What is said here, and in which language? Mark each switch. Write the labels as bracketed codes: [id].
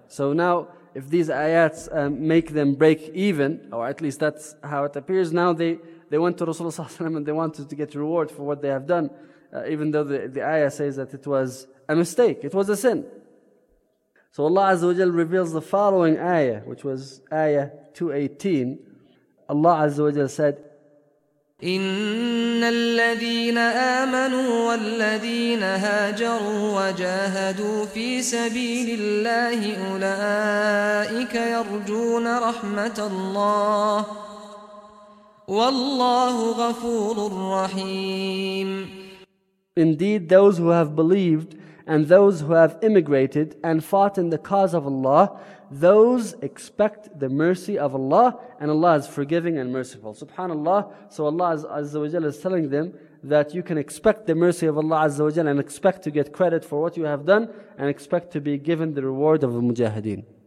[en] So now if these ayats make them break even, or at least that's how it appears, now they went to Rasulullah ﷺ and they wanted to get reward for what they have done, even though the ayah says that it was a mistake, it was a sin. So Allah Azza wa Jalla reveals the following ayah, which was ayah 218. Allah Azza wa Jalla said, [ar] إن الذين آمنوا والذين هاجروا وجاهدوا في سبيل الله أولئك يرجون رحمة الله والله غفور رحيم. [en] Indeed, those who have believed and those who have immigrated and fought in the cause of Allah, those expect the mercy of Allah, and Allah is forgiving and merciful. SubhanAllah. So Allah Azza wa Jalla is telling them that you can expect the mercy of Allah Azza wa Jalla and expect to get credit for what you have done and expect to be given the reward of the mujahideen.